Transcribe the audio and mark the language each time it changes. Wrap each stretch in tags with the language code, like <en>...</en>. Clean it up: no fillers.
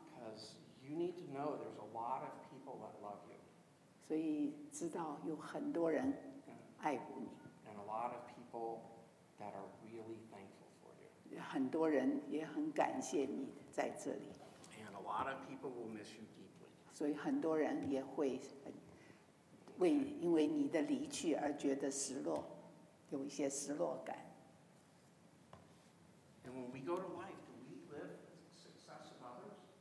<en>Because you need to know there's a lot of people that love you.</en> <zh>所以知道有很多人爱你。</zh> <en>And a lot of people that are really thankful for you.</en> <zh>很多人也很感谢你在这里。</zh> <en>And a lot of people will miss you deeply.</en> <zh>所以很多人也会因为你的离去而觉得失落，有一些失落感。</zh> <en>And when we go to life, do we live success of others?</en>